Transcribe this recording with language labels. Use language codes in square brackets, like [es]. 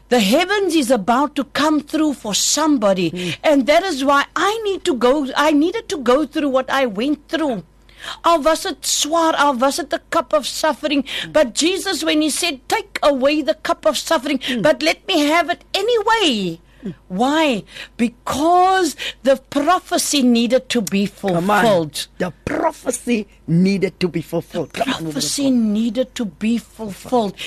[en] The heavens is about to come through for somebody. Mm. And that is why I needed to go through what I went through. [nl] Al was het zwaar, al was het [en] a cup of suffering. But Jesus, when he said, take away the cup of suffering, but let me have it anyway. Why? Because the prophecy needed to be fulfilled. The prophecy needed to be fulfilled. The prophecy needed to be fulfilled.